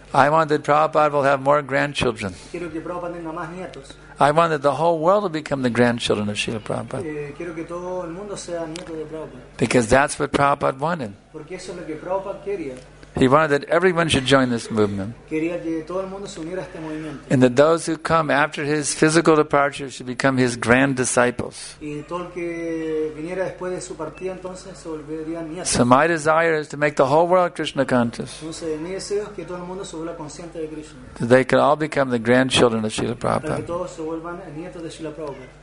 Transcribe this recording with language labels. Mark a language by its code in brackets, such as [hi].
[en] I want that Prabhupada will have more grandchildren. [es] Quiero que Prabhupada tenga más nietos. [en] I want that the whole world will become the grandchildren of Srila Prabhupada. [es] Quiero que todo el mundo sea nieto de Prabhupada. [en] Because that's what Prabhupada wanted. [es] Porque eso es lo que Prabhupada quería. [en] He wanted that everyone should join this movement. [es] Quería que todo el mundo se uniera a este movimiento. [en] And that those who come after his physical departure should become his grand disciples. [es] Y todo el que viniera después de su partida, entonces, se volverían nietos. [en] So my desire is to make the whole world Krishna conscious. [es] Entonces, mi deseo es que todo el mundo se vuelva consciente de Krishna. [en] That they could all become the grandchildren of Srila Prabhupada. [es] Para que todos se vuelvan nietos de Srila Prabhupada.